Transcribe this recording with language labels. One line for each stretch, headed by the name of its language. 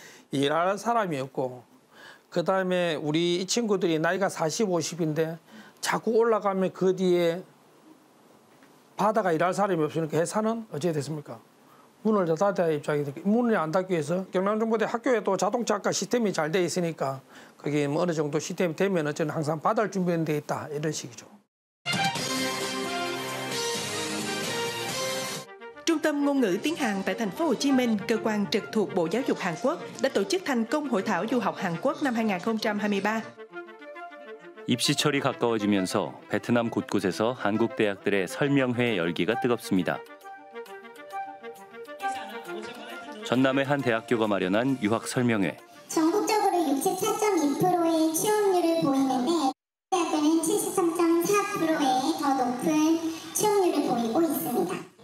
Korean: 일하는 사람이었고 그다음에 우리 이 친구들이 나이가 40, 50인데 자꾸 올라가면 그 뒤에 바다가 일할 사람이 없으니까 회사는 어찌 됐습니까? 문을 닫아야 할 입장이 되니까 문을 안 닫기 위해서 경남정부대 학교에도 자동차가 시스템이 잘 돼 있으니까 그게 뭐 어느 정도 시스템이 되면 어쨌든 항상 받을 준비는 돼 있다 이런 식이죠.
Vietnamese: Trung tâm ngôn ngữ tiếng Hàn tại thành phố Hồ Chí Minh, cơ quan trực thuộc Bộ Giáo dục Hàn Quốc đã tổ chức thành công hội thảo du học Hàn Quốc năm 2023.
Korean: 입시철이 가까워지면서 베트남 곳곳에서 한국 대학들의 설명회 열기가 뜨겁습니다. 전남의 한 대학교가 마련한 유학 설명회. 전국적으로 64.2%의 취업률을 보이는데 대학교는 73.4%의 더 높은 취업률을 보이고 있습니다.